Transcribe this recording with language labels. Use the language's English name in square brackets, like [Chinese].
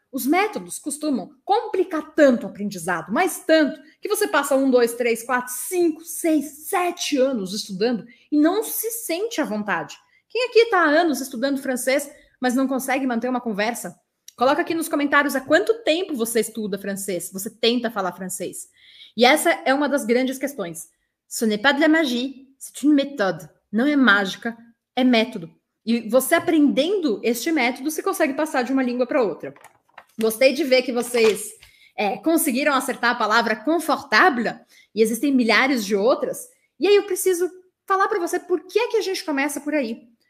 [Portuguese] Os métodos costumam complicar tanto o aprendizado, mas tanto, que você passa 1, 2, 3, 4, 5, 6, 7 anos estudando e não se sente à vontade. Quem aqui está há anos estudando francês, mas não consegue manter uma conversa? Coloca aqui nos comentários há quanto tempo você estuda francês, você tenta falar francês. E essa é uma das grandes questões. [French] Ce n'est pas de la magie, c'est une méthode. [Portuguese] Não é mágica, é método. E você aprendendo este método, você consegue passar de uma língua para outra. Gostei de ver que vocês conseguiram acertar a palavra confortável e existem milhares de outras. E aí eu preciso falar para você por que que a gente começa por aí.